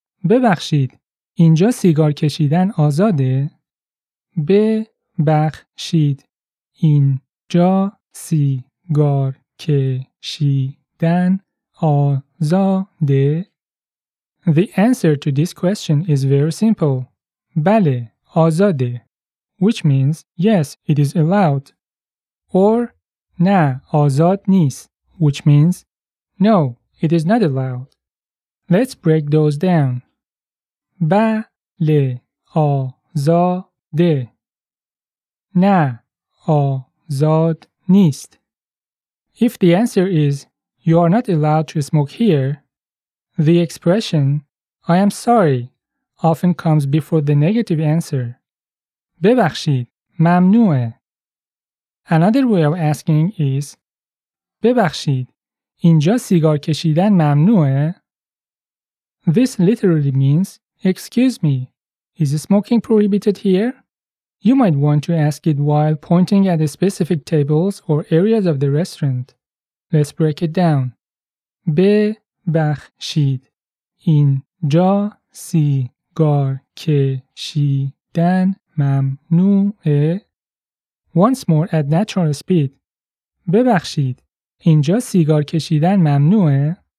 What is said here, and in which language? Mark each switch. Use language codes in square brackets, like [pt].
[fa] ببخشید, اینجا سیگار کشیدن آزاده. ببخشید, اینجا سیگار کشیدن آزاده. [en] The answer to this question is very simple. [fa] بله. آزاده, [en] which means yes, it is allowed, or [fa] نه, آزاد نیست, [en] which means no, it is not allowed. Let's break those down. [fa] بله آزاده, نه آزاد نیست. [en] If the answer is you are not allowed to smoke here, the expression I am sorry often comes before the negative answer. [fa] ببخشید, ممنوعه. [en] Another way of asking is [fa] ببخشید, اینجا سیگار کشیدن ممنوعه. [en] This literally means excuse me, is smoking prohibited here? You might want to ask it while pointing at specific tables or areas of the restaurant. Let's break it down. [fa] ببخشید, اینجا سیگار کشیدن ممنوعه. [en] Once more at natural speed. [fa] ببخشید, اینجا سیگار کشیدن ممنوعه.